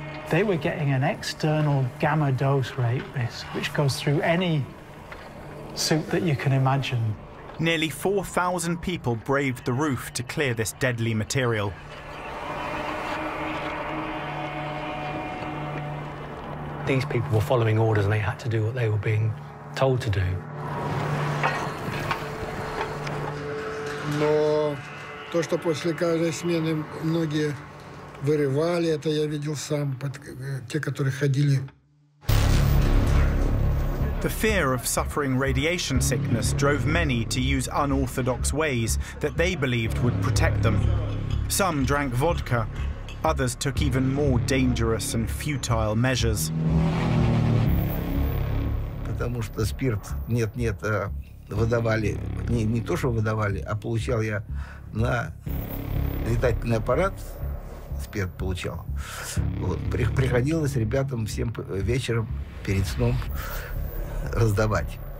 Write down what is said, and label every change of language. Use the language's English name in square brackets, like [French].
[English] They were getting an external gamma dose rate risk, which goes through any suit that you can imagine. Nearly 4,000 people braved the roof to clear this deadly material. These people were following orders and they had to do what they were being told to do. [Russian] Но то, что после каждой смены многие вырывали, это я видел сам, те, которые ходили. [English] The fear of suffering radiation sickness drove many to use unorthodox ways that they believed would protect them. Some drank vodka. Others took even more dangerous and futile measures. [Russian] Потому что спирт нет-нет выдавали, не то, что выдавали, а получал я на летательный аппарат спирт получал. Вот, приходилось ребятам всем вечером перед сном раздавать.